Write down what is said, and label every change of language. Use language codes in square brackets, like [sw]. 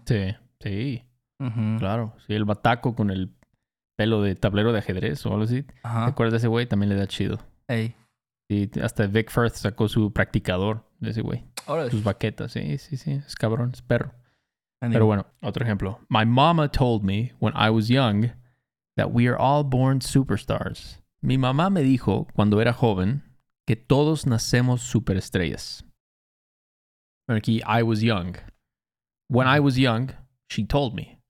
[es] Sí. Uh-huh. Claro. Sí, el bataco con el pelo de tablero de ajedrez o algo así. Ajá. ¿Te acuerdas de ese güey? También le da chido. Ey. Y hasta Vic Firth sacó su practicador de ese güey. Sus baquetas. Sí. Es cabrón. Es perro. Pero bueno, otro ejemplo. [en] My mama told me when I was young that we are all born superstars. [es] Mi mamá me dijo cuando era joven que todos nacemos superestrellas. Aquí, [en] I was young. When I was young, she told me.